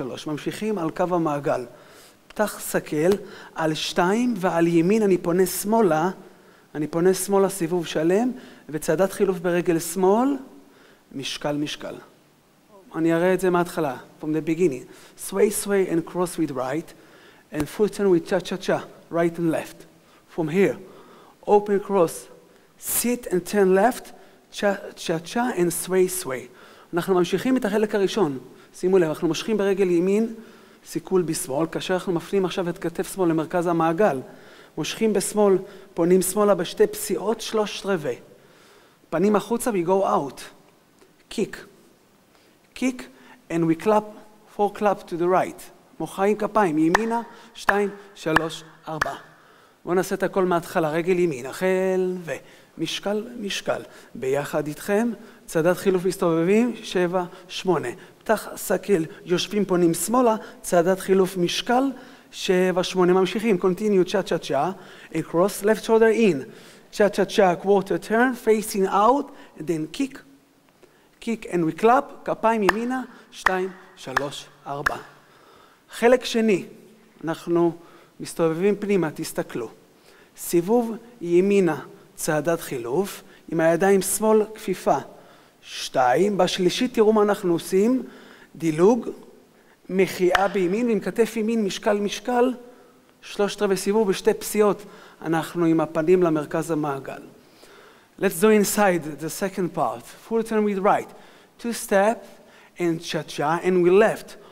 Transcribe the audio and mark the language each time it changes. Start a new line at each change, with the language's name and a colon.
Hebrew: ממשיכים על קו המעגל. פתח סכל על 2 ועל ימין אני פונה שמאלה. אני פונה שמאלה סיבוב שלם. וצעדת חילוף ברגל שמאל, משקל, משקל. אני אראה את זה מההתחלה,
English: from the beginning. Sway, sway and cross with right, and full turn with cha-cha-cha, right and left. From here, open cross, sit and turn left, cha-cha-cha and sway, sway.
Hebrew: אנחנו ממשיכים את החלק הראשון. שימו לב, אנחנו מושכים ברגל ימין, סיכול בשמאל, כאשר אנחנו מפנים עכשיו את כתף שמאל למרכז המעגל. מושכים בשמאל, פונים שמאלה בשתי פסיעות, 3/4. פנים החוצה,
English: we go out. Kick. Kick and we clap, 4 clap to the right.
Hebrew: מוחאים כפיים, ימינה, 2, 3, 4. בואו נעשה את הכל מההתחלה, רגל ימין, החל ו... משקל, משקל. ביחד איתכם, צעדת חילוף מסתובבים, 7, 8. פתח סכל, יושבים פונים שמאלה, צעדת חילוף משקל, 7, 8.
English: ממשיכים, continue, cha cha cha. And cross, left shoulder in. Cha cha cha, quarter turn, facing out, then kick. Kick and we clap,
Hebrew: כפיים ימינה,
English: 2, 3, 4.
Hebrew: חלק שני, אנחנו מסתובבים פנימה, תסתכלו. סיבוב ימינה, צעדת חילוף, עם הידיים שמאל, כפיפה, 2. בשלישית תראו מה אנחנו עושים, דילוג, מחייה בימין, ועם כתף ימין, משקל משקל, 3/4 סיבוב בשתי פסיעות, אנחנו עם הפנים למרכז המעגל.
English: Let's do inside the second part. Full turn with right. Two step and cha-cha and we left.